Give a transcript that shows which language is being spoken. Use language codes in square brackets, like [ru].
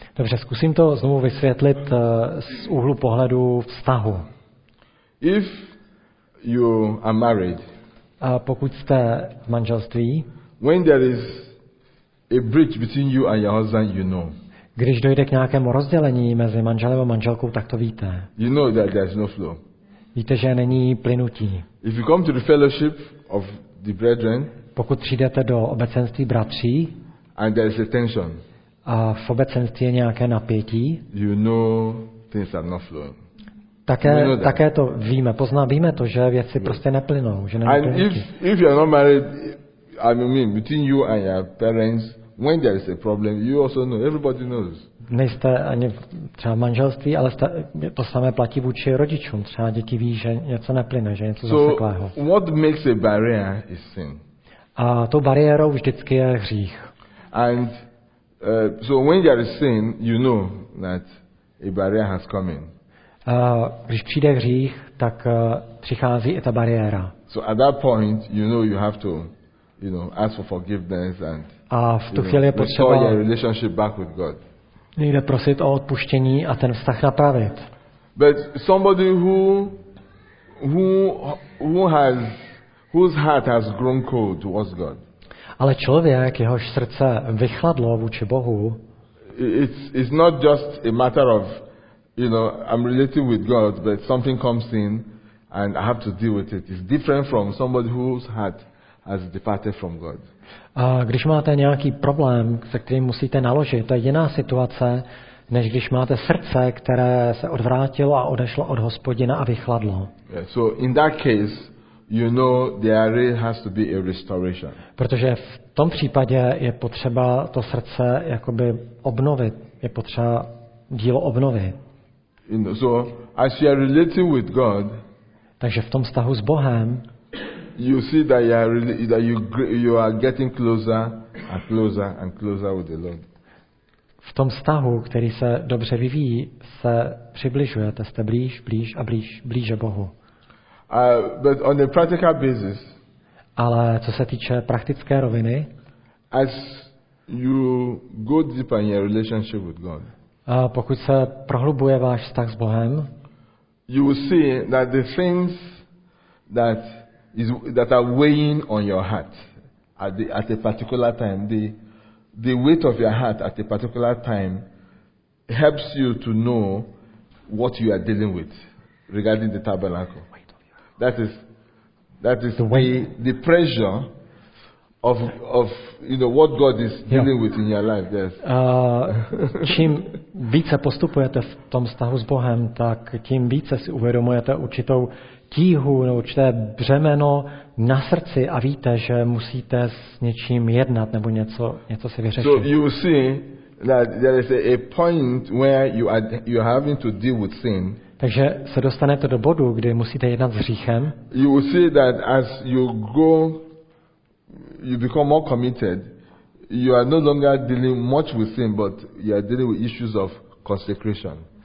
[cs] Dobře, zkusím to znovu vysvětlit z úhlu pohledu vztahu. [en] If you are married, [cs] a pokud jste v manželství, [en] when there is a breach between you and your husband, you know. [cs] Když dojde k nějakému rozdělení mezi manželem a manželkou, tak to víte. [en] You know that there is no flow. [cs] Víte, že není plynutí. [en] If you come to the fellowship of the brethren, [cs] pokud přijdete do obecenství bratří [en] and there is a tension, [cs] a v obecenství je nějaké napětí, [en] you know things are not flowing. [cs] Také, [en] you know [cs] také to víme, víme to, že věci prostě neplynou, že neplynou. [en] And if you are not married, I mean between you and your parents, when there is a problem, you also know, everybody knows. [cs] Nejste ani třeba v manželství, ale to samé platí vůči rodičům. Třeba děti ví, že něco neplyne, že něco zaseklého. [en] So what makes a barrier is sin. [cs] A tou bariérou vždycky je hřích. [en] And so when there is sin, you know that a barrier has come in. [cs] Když přijde hřích, tak přichází i ta bariéra. [en] So at that point, you know you have to, you know, ask for forgiveness and restore your relationship back with God. [cs] Nejde prosit o odpuštění a ten vztah napravit. [en] But somebody whose heart has grown cold towards God. [cs] Ale člověk, jehož srdce vychladlo vůči Bohu. [en] It's not just a matter of, you know, I'm related with God, but something comes in and I have to deal with it. It's different from somebody whose heart has departed from God. [cs] A když máte nějaký problém, se kterým musíte naložit, to je jiná situace, než když máte srdce, které se odvrátilo a odešlo od Hospodina a vychladlo. [en] Yeah, so in that case, you know, there has to be a restoration. [cs] Protože v tom případě je potřeba to srdce jakoby obnovit, je potřeba dílo obnovit. [en] You know, so as you are relating with God, [cs] takže v tom vztahu s Bohem, [en] you see that you are really, that you are getting closer and closer and closer with the Lord. [cs] V tom vztahu, který se dobře vyvíjí, se přibližujete, jste blíž a blíže Bohu. [en] But on a practical basis. [cs] Ale co se týče praktické roviny, [en] as you go deeper in your relationship with God. [cs] A pokud se prohlubuje váš vztah s Bohem, [en] you will see that the things that is that are weighing on your heart at a particular time, the weight of your heart at a particular time helps you to know what you are dealing with regarding the tabernacle. That is the pressure of you know what God is dealing with in your life. Yes. [cs] Čím více postupujete v tom vztahu s Bohem, tak tím více si uvědomujete určitou tíhu, určité břemeno na srdci a víte, že musíte s něčím jednat nebo něco si vyřešit. [en] So you see that there is a point where you are having to deal with sin. [cs] Takže se dostanete do bodu, kdy musíte jednat s hříchem. [en] You will see that as you go, you become more committed. You are no longer dealing much with sin, but you are dealing with issues of consecration.